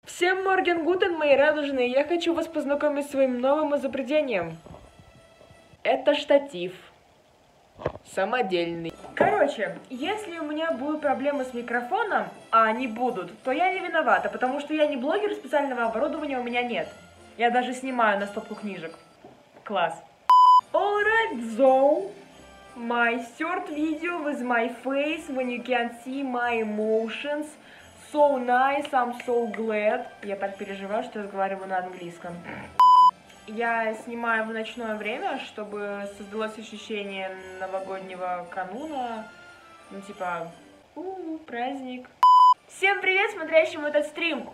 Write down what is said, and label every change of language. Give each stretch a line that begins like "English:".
Russian: Всем морген гутен, мои радужные! Я хочу вас познакомить с своим новым изобретением. Это штатив. Самодельный. Короче, если у меня будут проблемы с микрофоном, а они будут, то я не виновата, потому что я не блогер, специального оборудования у меня нет. Я даже снимаю на стопку книжек. Класс.
English: Alright, so, my third video with my face when you can't see my emotions. So nice, I'm so glad.
Russian: Я так переживаю, что разговариваю на английском. Я снимаю в ночное время, чтобы создалось ощущение новогоднего кануна. Ну, типа, праздник. Всем привет, смотрящим этот стрим.